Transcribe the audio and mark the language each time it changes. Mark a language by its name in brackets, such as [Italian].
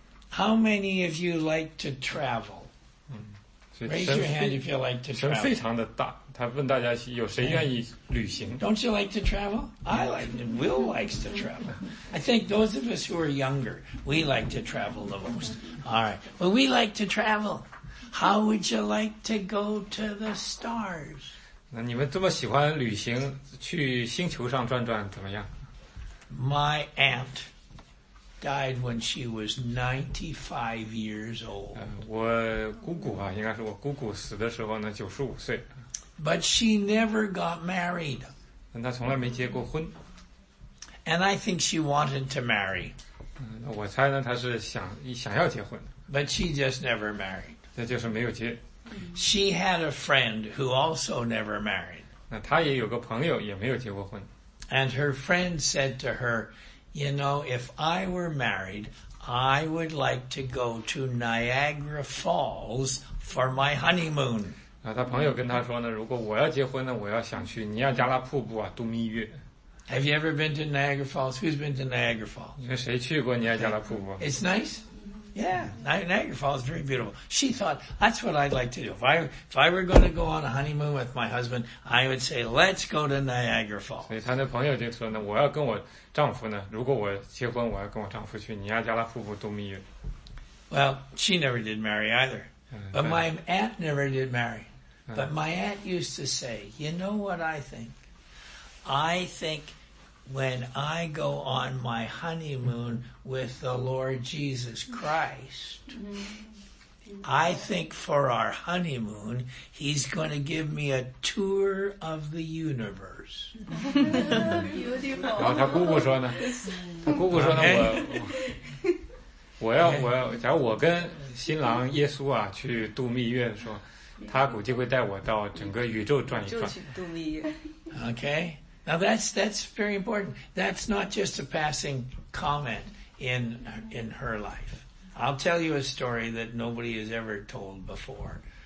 [English] How many of you like to travel? Raise your hand if you like to travel. [Chinese] 非常的大，他问大家有谁愿意旅行。 [English] Don't you like to travel? I like. Will likes to travel. I think those of us who are younger, we like to travel the most. All right. Well, we like to travel. How would you like to go to the stars? [Chinese] 那你们这么喜欢旅行，去星球上转转怎么样？ [English] My aunt. Died when she was 95 years old. [Chinese] 我姑姑啊，应该是我姑姑死的时候呢，95岁。 [English] But she never got married. [Chinese] 但她从来没结过婚。 [English] And I think she wanted to marry. [Chinese] 我猜呢，她是想要结婚。 [English] But she just never married. [Chinese] 那就是没有结。 [English] She had a friend who also never married. [Chinese] 那她也有个朋友也没有结过婚。 [English] And her friend said to her,You know, if I were married, I would like to go to Niagara Falls for my honeymoon. [Chinese] 他朋友跟他说呢，如果我要结婚呢，我要想去尼亚加拉瀑布啊度蜜月。 [English] Have you ever been to Niagara Falls? Who's been to Niagara Falls? [Chinese] 你说谁去过尼亚加拉瀑布？ [English] It's nice. Yeah, Niagara Falls is very beautiful. She thought, that's what I'd like to do. If I were going to go on a honeymoon with my husband, I would say, let's go to Niagara Falls. [Chinese] 所以他的朋友就说呢，我要跟我丈夫呢，如果我结婚，我要跟我丈夫去尼亚加拉瀑布度蜜月。 [English] Well, she never did marry either. But my aunt never did marry. But my aunt used to say, you know what I think? I think... When I go on my honeymoon with the Lord Jesus Christ, I think for our honeymoon, he's going to give me a tour of the universe. [Chinese] 然后他姑姑说呢，他姑姑说呢，我要，假如我跟新郎耶稣啊去度蜜月的时候，他估计会带我到整个宇宙转一转。就去度蜜月。 [English] Okay. Now that's very important. That's not just a passing comment in her life. I'll tell you a story that nobody has ever told before.